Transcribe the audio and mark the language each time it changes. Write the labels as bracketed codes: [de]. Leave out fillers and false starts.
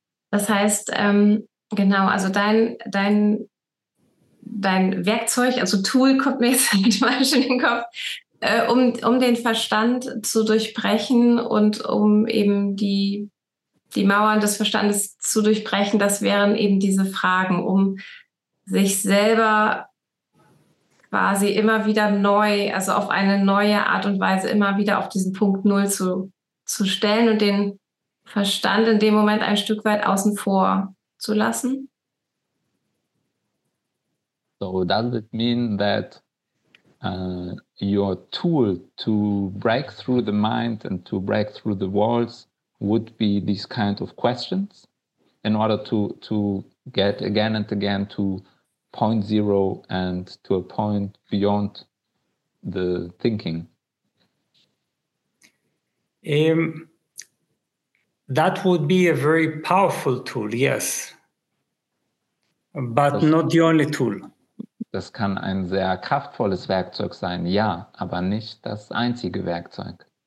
[de] Das heißt, genau, also dein Werkzeug, also Tool, kommt mir jetzt manchmal schon in den Kopf, um den Verstand zu durchbrechen und um eben die Mauern des Verstandes zu durchbrechen, das wären eben diese Fragen, um sich selber quasi immer wieder neu, also auf eine neue Art und Weise immer wieder auf diesen Punkt Null zu stellen und den Verstand in dem Moment ein Stück weit außen vor zu lassen. [en] So does it mean that your tool to break through the mind and to break through the walls would be these kind of questions in order to get again and again to point zero and to a point beyond the thinking? That would be a very powerful tool, yes. But not the only tool. [de] Das kann ein sehr kraftvolles Werkzeug sein, ja, aber nicht das einzige Werkzeug.